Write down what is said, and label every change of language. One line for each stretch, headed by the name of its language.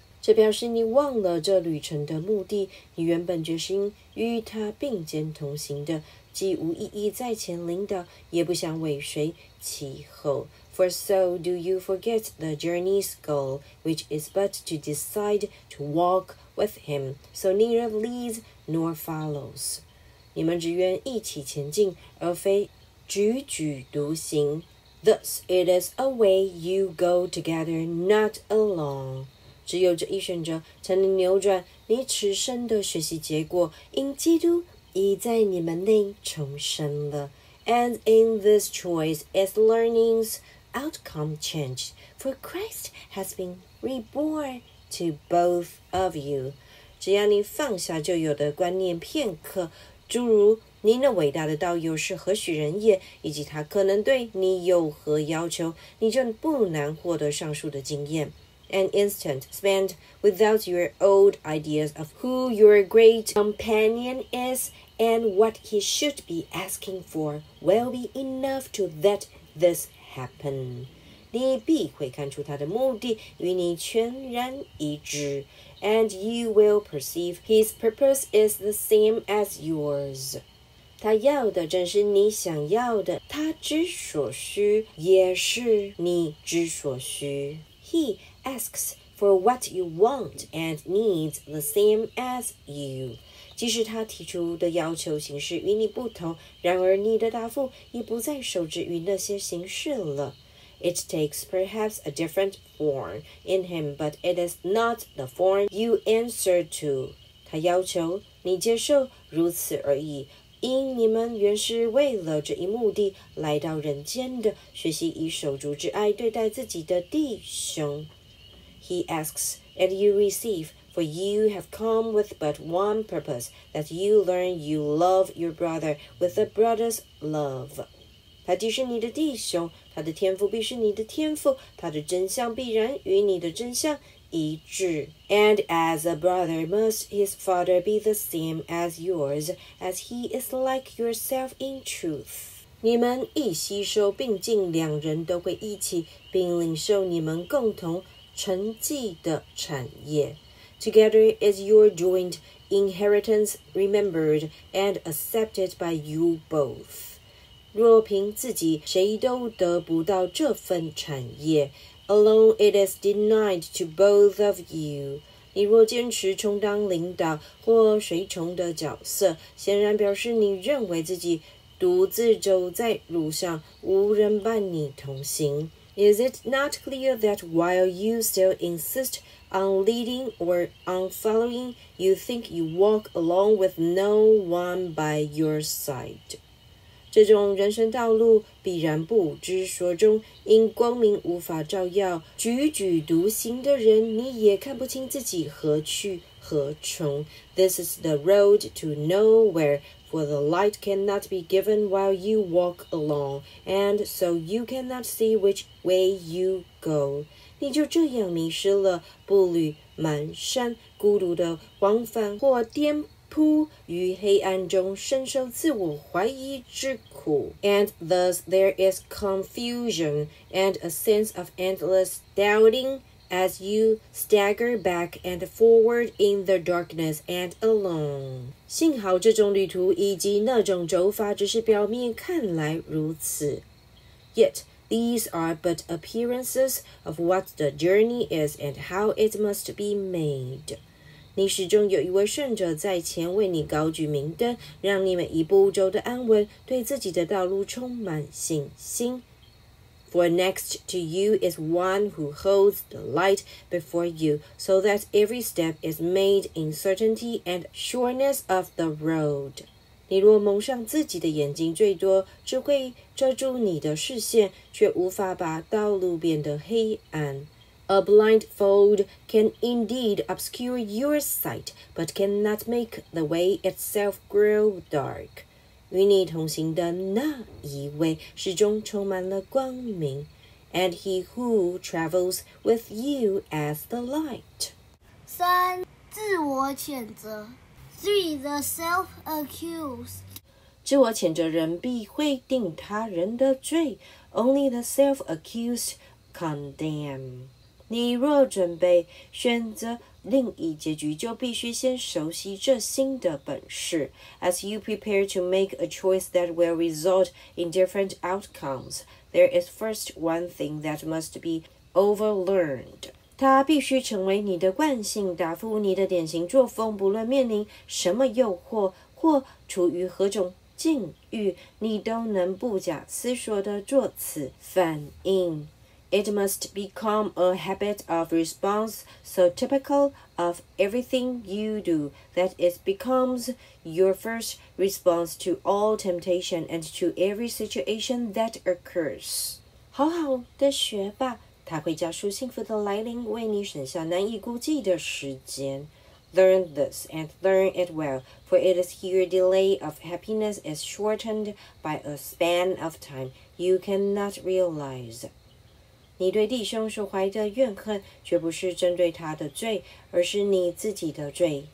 Chinese: 这表示你忘了这旅程的目的，你原本决心与他并肩同行的，既无意义在前领导，也不想尾随其后。
English: For so do you forget the journey's goal, which is but to decide to walk with him, so neither leads nor follows.
Chinese: 你们只愿一起前进，而非踽踽独行。
English: Thus it is a way you go together, not alone.
Chinese: 只有这一选择才能扭转你此生的学习结果，因基督已在你们内重生了。
English: And in this choice is learning's outcome changed, for Christ has been reborn to both of you.
Chinese: 只要你放下旧有的观念片刻，诸如你那伟大的道友是何许人也，以及他可能对你有何要求，你就不难获得上述的经验。
English: An instant spent without your old ideas of who your great companion is and what he should be asking for will be enough to let this happen.
Chinese: 你必会看出他的目的与你全然一致，
English: and you will perceive his purpose is the same as yours.
Chinese: 他要的正是你想要的，他之所需也是你之所需。
English: He asks for what you want and needs the same as you.
Chinese: 即使他提出的要求形式与你不同，然而你的答复也不再受制于那些形式了。
English: It takes perhaps a different form in him, but it is not the form you answer to.
Chinese: 他要求你接受如此而已。因你们原是为了这一目的来到人间的，学习以手足之爱对待自己的弟兄。
English: He asks, and you receive, for you have come with but one purpose, that you learn you love your brother with a brother's love.
Chinese: 他既是你的弟兄，他的天赋必是你的天赋，他的真相必然与你的真相一致。
English: And as a brother, must his father be the same as yours, as he is like yourself in truth.
Chinese: 你们一吸收并进，两人都会一起并领受你们共同承继的产业。
English: Together is your joint inheritance remembered and accepted by you both.
Chinese: 若凭自己，谁都得不到这份产业。
English: Alone it is denied to both of you.
Chinese: 你若坚持充当领导或随从的角色，显然表示你认为自己独自走在路上，无人伴你同行。
English: Is it not clear that while you still insist on leading or on following, you think you walk along with no one by your side?
Chinese: 这种人生道路必然不知所踪，因光明无法照耀。踽踽独行的人，你也看不清自己何去何从。何从。
English: This is the road to nowhere, for the light cannot be given while you walk along, and so you cannot see which way you go.
Chinese: 你就这样迷失了，步履蹒跚，孤独的往返或颠扑于黑暗中，深受自我怀疑之苦。
English: And thus there is confusion and a sense of endless doubting as you stagger back and forward in the darkness and alone.
Chinese: 幸好这种旅途以及那种走法只是表面看来如此。
English: Yet these are but appearances of what the journey is and how it must be made.
Chinese: 你始终有一位圣者在前为你高举明灯，让你们一步走得安稳，对自己的道路充满信心。
English: For next to you is one who holds the light before you, so that every step is made in certainty and sureness of the road.
Chinese: 你若蒙上自己的眼睛，最多只会遮住你的视线，却无法把道路变得黑暗。
English: A blindfold can indeed obscure your sight, but cannot make the way itself grow dark.
Chinese: 与你同行的那一位始终充满了光明，
English: and he who travels with you as the light.
Chinese: 三，自我谴责。
English: Three, the self-accused.
Chinese: 自我谴责人必会定他人的罪，
English: only the self-accused condemn.
Chinese: 你若准备选择另一结局，就必须先熟悉这新的本事。
English: As you prepare to make a choice that will result in different outcomes, there is first one thing that must be overlearned.
Chinese: 它必须成为你的惯性，打破你的典型作风。不论面临什么诱惑或处于何种境遇，你都能不假思索地作此反应。
English: It must become a habit of response so typical of everything you do that it becomes your first response to all temptation and to every situation that occurs.
Chinese: 好好的学吧，它会加速幸福的来临，为你省下难以估计的时间。
English: Learn this and learn it well, for it is here delay of happiness is shortened by a span of time you cannot realize.
Chinese: 你对弟兄所怀的怨恨，绝不是针对他的罪，而是你自己的罪。